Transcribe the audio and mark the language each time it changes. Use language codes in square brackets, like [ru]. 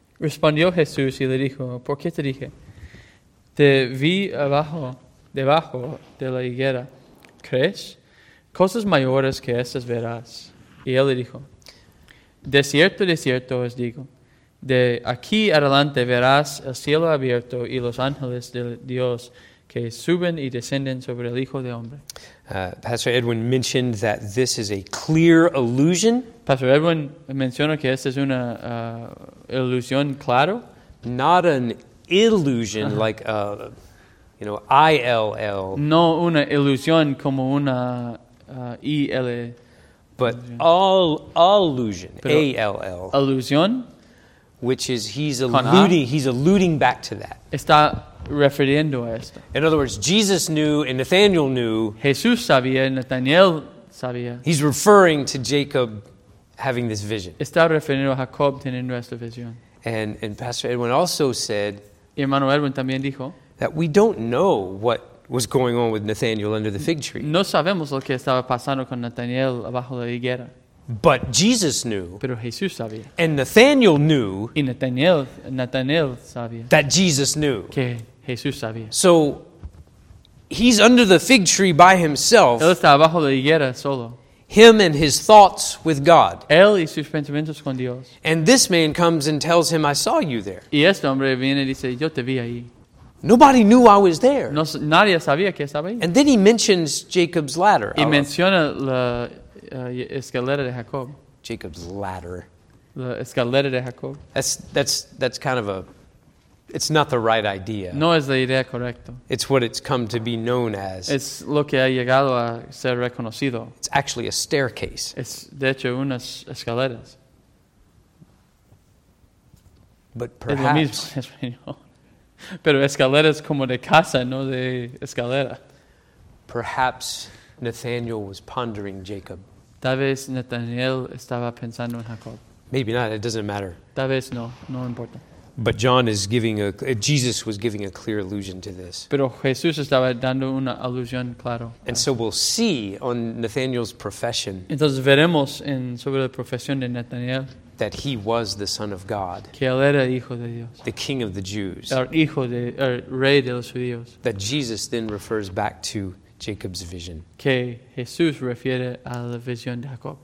[es] Respondió Jesús y le dijo, ¿por qué te dije? Te vi abajo, debajo de la higuera. ¿Crees? Cosas mayores que estas verás. Y él le dijo, de cierto, de cierto os digo, de aquí adelante verás el cielo abierto y los ángeles de Dios que suben y descienden sobre el Hijo de Hombre. [en] Pastor Edwin mentioned that this is a clear illusion. [es] Pastor Edwin mencionó que esta es una ilusión claro. [en] Not an illusion like a, ILL. [es] No una ilusión como una ILL. [en] But allusion, ALL. [es] Alusión. [en] Which is he's alluding back to that. [es] Está refiriendo a esto. [en] In other words, Jesus knew and Nathanael knew. [es] Jesús sabía, Nathanael sabía. [en] He's referring to Jacob having this vision. [es] Está refiriendo a Jacob teniendo esta visión. [en] And Pastor Edwin also said. [es] Y hermano Edwin también dijo. [en] That we don't know what was going on with Nathanael under the fig tree. [es] No sabemos lo que estaba pasando con Nathanael abajo la higuera. [en] But Jesus knew. [es] Pero Jesús sabía. [en] And Nathanael knew. [es] Y Nathanael sabía. [en] That Jesus knew. [es] Que Jesús sabía. [en] So, he's under the fig tree by himself. [es] Él está abajo de higuera solo. [en] Him and his thoughts with God. [es] Él y sus pensamientos con Dios. [en] And this man comes and tells him, I saw you there. [es] Y este hombre viene y dice, yo te vi ahí. [en] Nobody knew I was there. [es] No, nadie sabía que estaba ahí. [en] And then he mentions Jacob's ladder. [es] Y menciona la escalera de Jacob. [en] Jacob's ladder. [es] La escalera de Jacob. [en] That's kind of a, it's not the right idea. [es] No es la idea correcta. [en] It's what it's come to be known as. [es] Es lo que ha llegado a ser reconocido. [en] It's actually a staircase. [es] Es de hecho unas escaleras. [en] But perhaps. [es] Pero escaleras como de casa, no de escalera. [en] Perhaps Nathaniel was pondering Jacob. [es] Tal vez Nathaniel estaba pensando en Jacob. [en] Maybe not, it doesn't matter. [es] Tal vez no, no importa. [en] But John is giving Jesus was giving a clear allusion to this. [es] Pero Jesús estaba dando una alusión clara. [en] And so we'll see on Nathaniel's profession. [es] Entonces veremos en sobre la profesión de Nathaniel. [en] That he was the Son of God. [es] Que él era hijo de Dios. [en] The King of the Jews. [es] El rey de los judíos. [en] That Jesus then refers back to Jacob's vision. [es] Que Jesús refiere a la visión de Jacob.